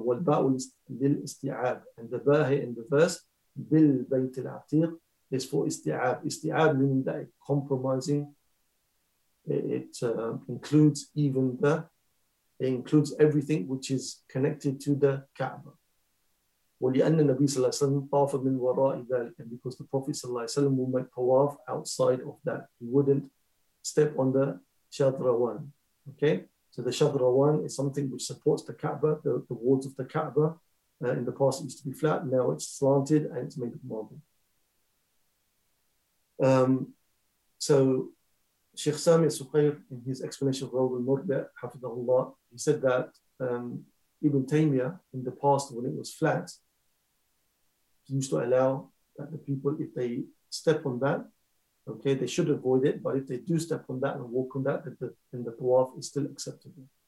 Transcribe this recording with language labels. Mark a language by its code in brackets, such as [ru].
[ar] وَالْبَاءُ لِلْإِسْتِعَابِ, [en] and the bahe in the verse, [ar] بِالْبَيْتِ الْعَقِيقِ, [en] is for isti'ab. Isti'ab meaning that it compromising, it includes everything which is connected to the Kaaba. [ar] وَلِأَنَّ النَّبِيَ صَلَّى اللَّهُ عَلَيْهِ وَسَلَّمَ طَافَ مِنْ وَرَاءِ ذَلِكَ, [en] and because the Prophet صلى الله عليه وسلم will make tawaf outside of that. He wouldn't step on the shadrawan. Okay? So the shadrawan is something which supports the Kaaba, the walls of the Kaaba. In the past it used to be flat, now it's slanted and it's made of marble. So Sheikh Sami Suqayr, in his explanation of Rawd al-Murbi' Hafidhahullah, he said that Ibn Taymiyyah, in the past when it was flat, he used to allow that the people, if they step on that, okay, they should avoid it, but if they do step on that and walk on that, then the tawaf is still acceptable.